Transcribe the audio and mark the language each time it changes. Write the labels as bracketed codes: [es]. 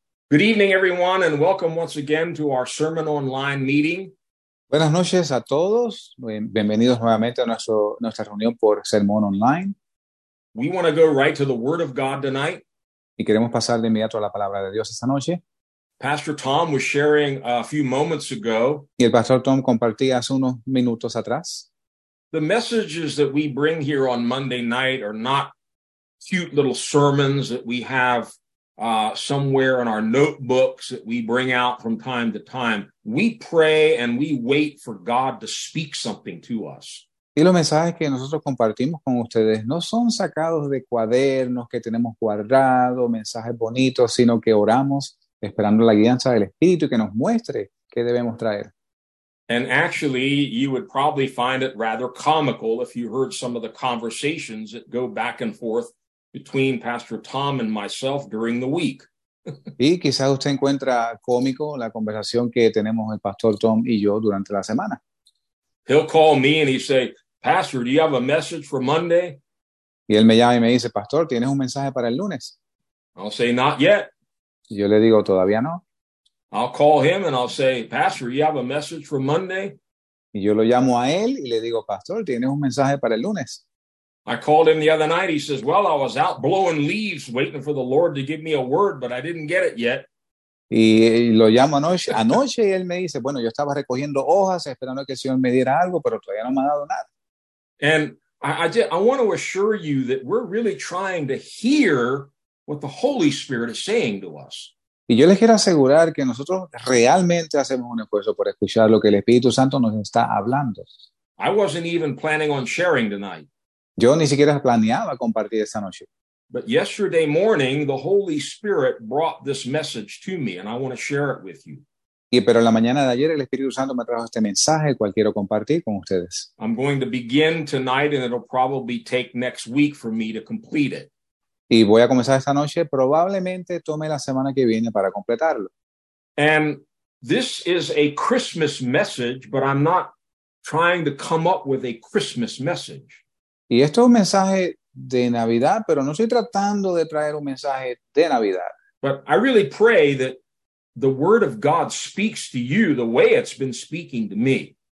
[en] Good evening, everyone, and welcome once again to our Sermon Online meeting. [es] Buenas noches a todos. Bienvenidos nuevamente a nuestra reunión por Sermón Online. [en] We want to go right to the Word of God tonight. [es] Y queremos pasar de inmediato a la Palabra de Dios esta noche. [en] Pastor Tom was sharing a few moments ago. [es] Y el Pastor Tom compartía hace unos minutos atrás. [en] The messages that we bring here on Monday night are not cute little sermons that we have somewhere in our notebooks that we bring out from time to time. We pray and we wait for God to speak something to us. [es] Y los mensajes que nosotros compartimos con ustedes no son sacados de cuadernos que tenemos guardados, mensajes bonitos, sino que oramos esperando la guianza del Espíritu que nos muestre qué debemos traer. [en] And actually, you would probably find it rather comical if you heard some of the conversations that go back and forth between Pastor Tom and myself during the week. [es] Y quizás usted encuentra cómico la conversación que tenemos el Pastor Tom y yo durante la semana. [en] He'll call me and he say, Pastor, do you have a message for Monday? [es] Y él me llama y me dice, Pastor, ¿tienes un mensaje para el lunes? [en] I'll say, not yet. [es] Y yo le digo, todavía no. [en] I'll call him and I'll say, Pastor, do you have a message for Monday? [es] Y yo lo llamo a él y le digo, Pastor, ¿tienes un mensaje para el lunes? [en] I called him the other night. He says, well, I was out blowing leaves waiting for the Lord to give me a word, but I didn't get it yet. [es] Y lo llamo anoche y él me dice, bueno, yo estaba recogiendo hojas esperando que el Señor me diera algo, pero todavía no me ha dado nada. [en] And I want to assure you that we're really trying to hear what the Holy Spirit is saying to us. [es] Y yo les quiero asegurar que nosotros realmente hacemos un esfuerzo por escuchar lo que el Espíritu Santo nos está hablando. [en] I wasn't even planning on sharing tonight. [es] Yo ni siquiera planeaba compartir esta noche. [en] But yesterday morning, the Holy Spirit brought this message to me, and I want to share it with you. [es] Y pero en la mañana de ayer, el Espíritu Santo me trajo este mensaje, el cual quiero compartir con ustedes. [en] I'm going to begin tonight, and it'll probably take next week for me to complete it. [es] Y voy a comenzar esta noche, probablemente tome la semana que viene para completarlo. [en] And this is a Christmas message, but I'm not trying to come up with a Christmas message. [es] Y esto es un mensaje de Navidad, pero no estoy tratando de traer un mensaje de Navidad. [en] But I really pray that the word of God speaks to you the way it's been speaking to me.